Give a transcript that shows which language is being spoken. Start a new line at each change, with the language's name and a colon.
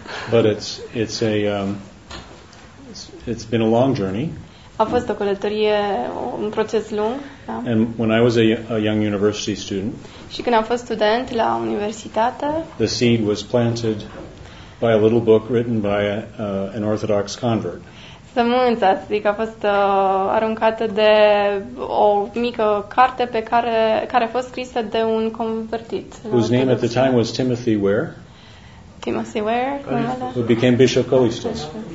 English: But it's a it's been a long journey.
Romanian: A fost o călătorie, un proces lung. Da.
English: And when I was a young university student,
Romanian: și când am fost student la universitate,
English: the seed was planted by a little book written by an Orthodox convert.
Romanian: Sămânța, să zic, a fost aruncată de o mică carte pe care a fost scrisă de un convertit.
English: Whose name at the time was Timothy Ware? Timothy Ware, who became Bishop Callistus.